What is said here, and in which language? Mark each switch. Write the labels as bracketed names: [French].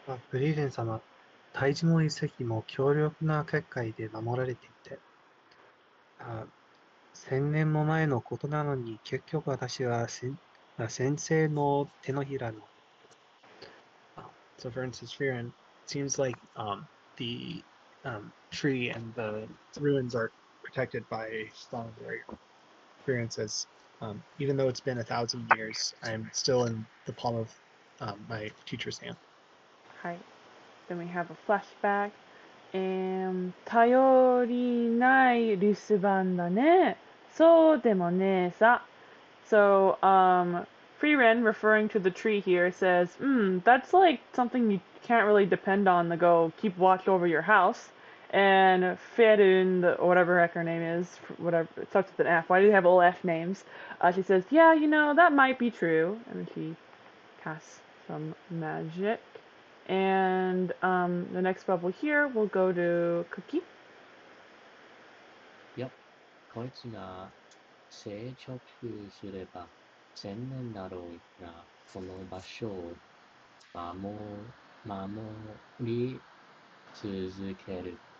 [Japanese] フリーレン様、大事も遺跡も強力な結界で守られていて、千年も前のことなのに、結局私は先生の手のひらの。 [English] So for instance, Frieren, it seems like the tree and the ruins are protected by a strong barrier. Frieren says, even though it's been 1,000 years, I am still in the palm of my teacher's hand. [Japanese] はい、 [English] then we have a flashback. And [Japanese] 頼りない留守番だね。そうでもねえさ。 [English] So, Frieren, referring to the tree here, says, that's like something you can't really depend on to go keep watch over your house. And Ferun, whatever heck her name is, whatever, it starts with an F. Why do they have all F names? She says, yeah, you know, that might be true. And she casts some magic. And the next bubble here will go to Cookie. Yep. [Japanese] こいつが成長すれば千年だろうがこの場所を守り続ける。